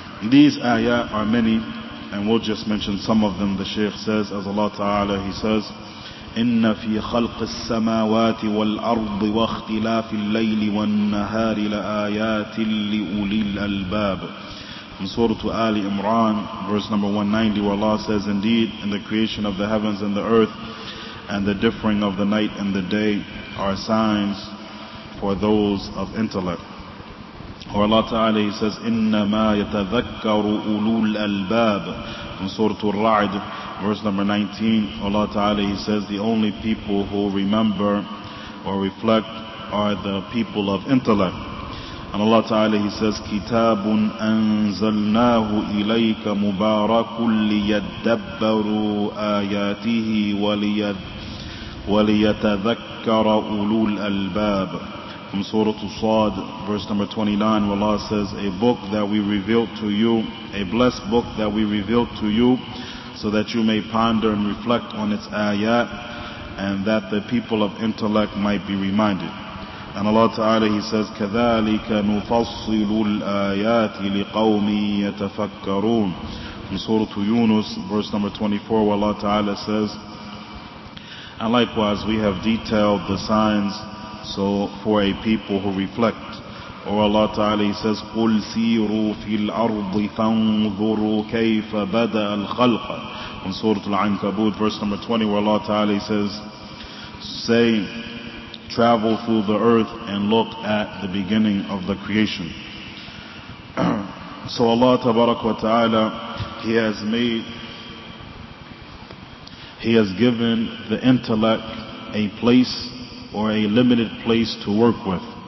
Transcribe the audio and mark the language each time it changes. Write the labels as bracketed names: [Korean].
[English] These ayat are many, and we'll just mention some of them. The Shaykh says, as Allah Ta'ala, He says, [Arabic] إن في خلق السماوات والأرض واختلاف الليل والنهار لآيات لأولي الألباب. [English] From Surah Ali Imran, verse number 190, where Allah says, indeed, in the creation of the heavens and the earth, and the differing of the night and the day are signs for those of intellect. Or Allah Ta'ala, He says, [Arabic] إِنَّمَا يَتَذَكَّرُ أُولُو الْأَلْبَابِ. [English] In Surah Al-Ra'd, verse number 19, Allah Ta'ala, He says, the only people who remember or reflect are the people of intellect. And Allah Ta'ala, He says, [Arabic] كِتَابٌ أَنزَلْنَاهُ إِلَيْكَ مُبَارَكٌ لِيَدَّبَّرُوا آيَاتِهِ وَلِيَتَذَكَّرَ أُولُو الْأَلْبَابِ. [English] From Surah Al-Sad, verse number 29, where Allah says, a book that we revealed to you, a blessed book that we revealed to you, so that you may ponder and reflect on its ayat, and that the people of intellect might be reminded. And Allah Ta'ala, He says, [Arabic] كَذَلِكَ نُفَصِّلُ الْآيَاتِ لِقَوْمِ يَتَفَكَّرُونَ. [English] From Surah Yunus, verse number 24, where Allah Ta'ala says, and likewise we have detailed the signs so for a people who reflect. Or Allah Ta'ala, He says, [Arabic] قُلْ سِيرُوا فِي الْأَرْضِ فَانْظُرُوا كَيْفَ بَدَأَ الْخَلْقَ. [English] In Surah Al-Ankabut, verse number 20, where Allah Ta'ala, He says, say, travel through the earth and look at the beginning of the creation. So Allah Tabarak wa Ta'ala, He has given the intellect a place or a limited place to work with.